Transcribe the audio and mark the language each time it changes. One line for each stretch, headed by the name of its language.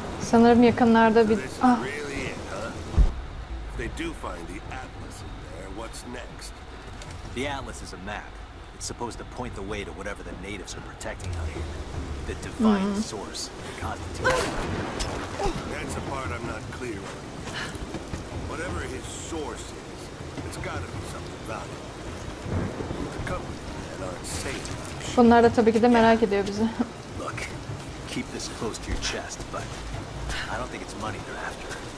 Turkish: Sanırım yakınlarda bir... Ah.
English: They do find the atlas in there. What's next? The atlas is a map. It's supposed to point the way to whatever the natives are protecting out here. The divine source, the constitution. That's a part I'm not clear on. Whatever his source is, it's got to be something about it. The company that aren't safe.
Turkish: Bunlar da tabii ki de merak ediyor bizi.
English: Look, keep this close to your chest, but I don't think it's money they're after.